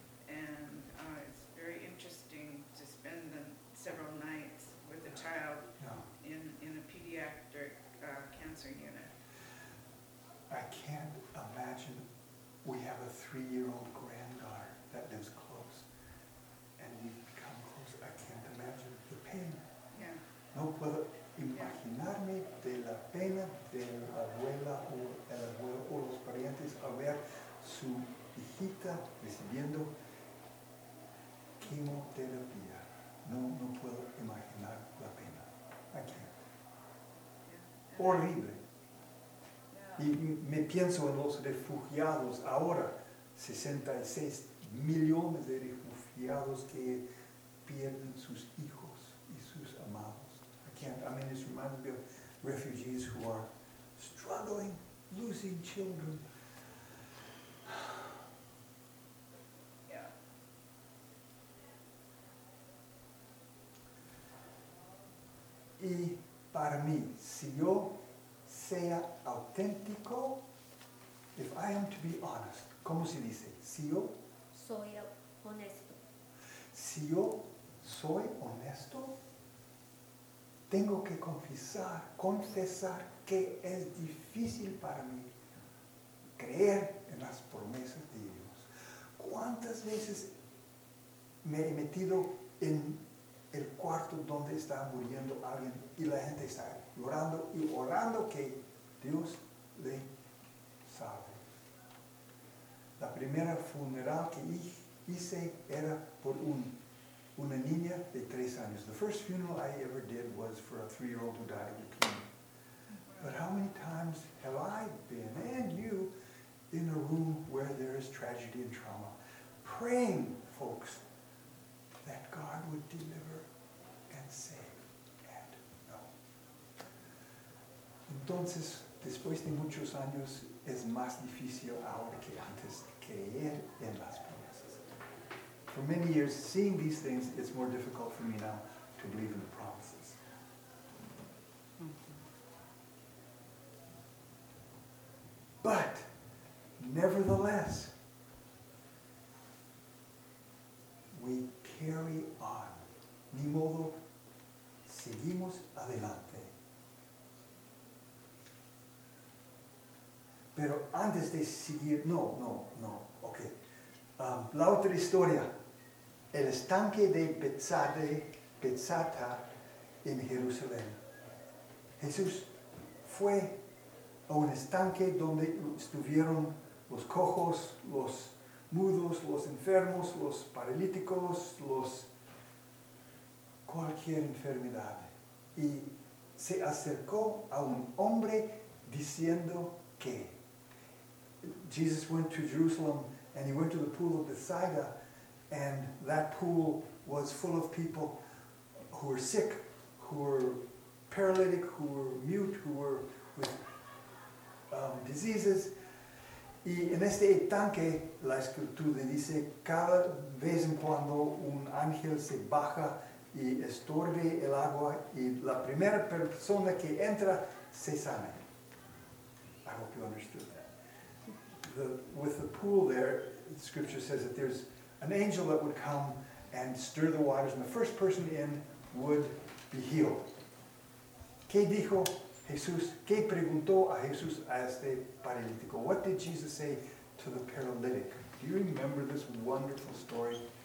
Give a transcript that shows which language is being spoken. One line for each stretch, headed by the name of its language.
English: And it's very interesting to spend the several nights with a child in a pediatric cancer unit. I can't imagine. We have a 3-year-old granddaughter that lives close, and we've become close. I can't imagine the pain. Yeah.
Spanish: No puedo imaginarme de la pena de la abuela o el abuelo o los parientes a ver su hijita recibiendo quimioterapia. No puedo imaginar la pena.
English: I can't. Yeah. Horrible.
Spanish: Y me pienso en los refugiados ahora, 66 millones de refugiados que pierden sus hijos y sus amados.
English: I mean, it reminds me of refugees who are struggling, losing children. Yeah.
Spanish: Y para mí, si yo sea auténtico,
English: if I am to be honest,
Spanish: ¿cómo se dice? Si yo soy honesto. Si yo soy honesto, tengo que confesar que es difícil para mí creer en las promesas de Dios. ¿Cuántas veces me he metido en el cuarto donde está muriendo alguien y la gente está llorando y orando que Dios le salve? La primera funeral que hice era por una niña de 3 años.
English: The first funeral I ever did was for a 3-year-old who died of leukemia. But how many times have I been, and you, in a room where there is tragedy and trauma, praying, folks, that God would deliver and save, and no.
Spanish: Entonces, después de muchos años, es más difícil ahora que antes creer en las promesas.
English: For many years, seeing these things, it's more difficult for me now to believe in the promises. But, nevertheless, we carry on.
Spanish: Ni modo, seguimos adelante. Pero antes de seguir, no, ok. La otra historia, el estanque de Bethsaida en Jerusalén. Jesús fue a un estanque donde estuvieron los cojos, los mudos, los enfermos, los paralíticos, los cualquier enfermedad. Y se acercó a un hombre diciendo que
English: Jesus went to Jerusalem, and he went to the pool of Bethsaida, and that pool was full of people who were sick, who were paralytic, who were mute, who were with diseases.
Spanish: Y en este estanque, la escritura dice, cada vez en cuando un ángel se baja y estorbe el agua, y la primera persona que entra se sana.
English: I hope you understood that. With the pool there, the scripture says that there's an angel that would come and stir the waters, and the first person in would be healed.
Spanish: ¿Qué dijo Jesús? ¿Qué preguntó a Jesús a este paralítico?
English: What did Jesus say to the paralytic? Do you remember this wonderful story?